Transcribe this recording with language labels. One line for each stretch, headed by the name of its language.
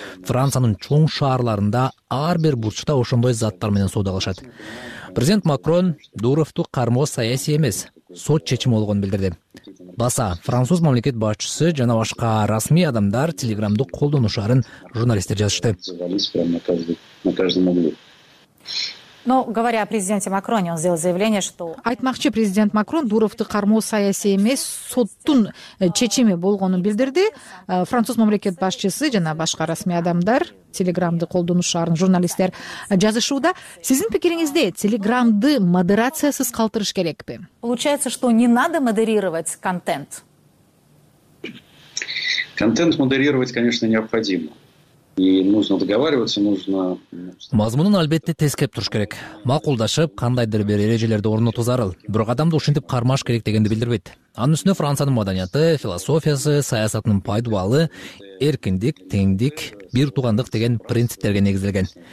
Kyrgyz: Франциянын чоң шаарларында ар бир бурчта ошондой заттар менен соодалашат. Президент Макрон Дуровту кармоо саясий эмес, сот чечими болгонун билдирди. Баса, француз мамлекет башчысы жана башка расмий адамдар телеграмды колдонушарын журналисттер жазышты.
Russian: Но, говоря о президенте Макроне, он сделал заявление, что...
Kyrgyz: Айтмакчы, президент Макрон Дуровту кармоо саясий эмес, соттун чечими болгонун билдирди. Француз мамлекет башчысы жана башка расмий адамдар телеграмды колдонушарын журналисттер жазышууда. Сиздин пикириңизде телеграмды модерациясыз калтырыш керекпи?
Russian: Получается, что не надо модерировать контент. Контент модерировать, конечно, необходимо.
Kyrgyz: Мазмунун албетте тескеп туруш керек. Макулдашып, кандайдыр бир эрежелерди орнотуу зарыл, бирок адамды ушинтип кармаш керек дегенди билдирбейт. Анын үстүнө Франциянын маданияты, философиясы, саясатынын пайдубалы, эркиндик, теңдик, бир туугандык деген принциптерге негизделген.